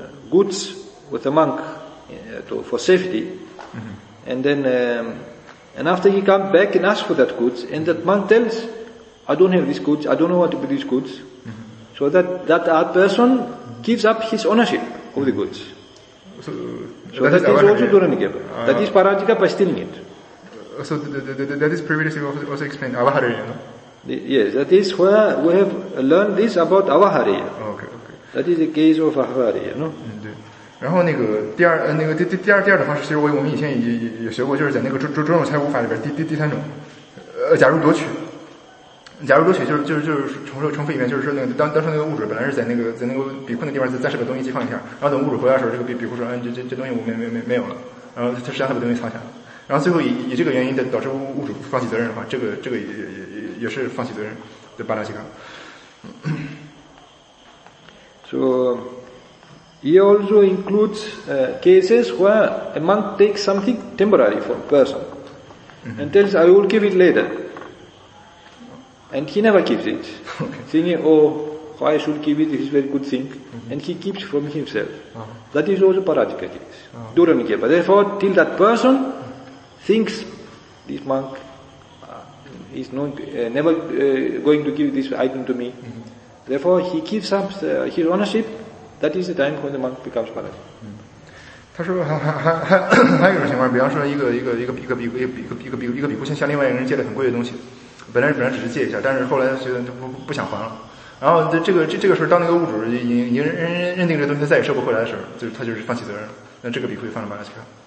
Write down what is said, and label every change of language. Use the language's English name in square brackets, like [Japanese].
[English] goods with a monk for safety, and then and after he comes back and asks for that goods, and that monk tells, I don't have these goods, I don't know what to do with these goods, so that that person gives up his ownership of the goods. So that is also Dhuranikepa. That is Parajika by stealing it. So that is previously also explained, Avahareya, no? Yes, that is where we have learned this about Avahareya. Okay. That is the case of Avahareya, no? [Chinese] 然后那个第二那个第二的方式，其实我们以前也学过，就是在那个种财物法里边第三种，假如夺取就是重复一遍，就是说那个当时那个物主本来是在那个比库的地方暂时把东西寄放一下，然后等物主回来的时候，这个比库说，嗯，这东西我没有了，然后他实际上把东西藏起来了，然后最后以这个原因的导致物主放弃责任的话，这个也是放弃责任的巴拉西卡。 [English] So he also includes cases where a monk takes something temporary from a person and tells, I will give it later. And he never keeps it, thinking, oh, why should keep it? It's a very good thing. And he keeps from himself. That is also Parajika case. Dhuranikepa. Therefore, till that person thinks this monk is never going to give this item to me. Therefore, he keeps up his ownership. That is the time when the monk becomes Parajika. [Chinese] 他说还有一种情况，比方说一个比库向另外一个人借了很贵的东西。本来只是借一下，但是后来觉得不想还了。然后这个时候，当那个物主已经认定这东西再也收不回来的时候，就是他就是放弃责任了。那这个比库就放了巴拉西卡。